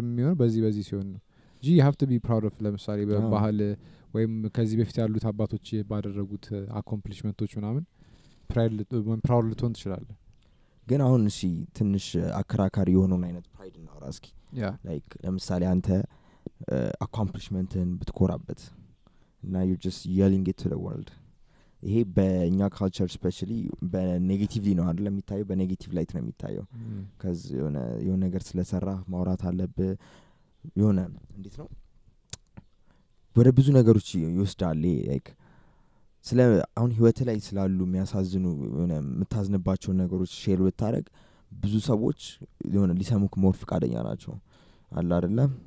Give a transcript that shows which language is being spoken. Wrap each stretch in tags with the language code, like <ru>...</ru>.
<am>የሚሆን በዚህ ሲሆን ነው</am> <en>ጂ ዩ ሃቭ ቱ ቢ ፕራውድ ኦፍ</en> <am>ለምሳሌ በባህል ወይም ከዚህ በፊት ያሉት አባቶች ባደረጉት አኮምፕሊሽመንቶች ምናምን ፕራውድ ልትሆን ትችላለህ ግን አሁን እሺ ትንሽ አከራካሪ የሆነውን አይነት ፕራይድ እናውራ እስኪ yeah like ለምሳሌ አንተ accomplishment እን ብትኮራበት</am> <en>now you're just yelling it to the world.</en> <am>ይሄ በኛ ካልቸር ስፔሻሊ በኔጌቲቭሊ ነው አይደል የሚታየው፣ በኔጌቲቭ ላይት ነው የሚታየው። ከዚህ የሆነ የሆነ ነገር ስለሰራ ማውራት አለብ የሆነ እንዴት ነው ወደ ብዙ ነገሮች ይወስዳል። ላይክ ስለ አሁን ህይወት ላይ ስላሉ የሚያሳዝኑ የሆነ የምታዝንባቸው ነገሮች ሼር ብታረግ ብዙ ሰዎች የሆነ ሊሰሙክ ሞር ፍቃደኛ ናቸው አለ አይደለ?</am>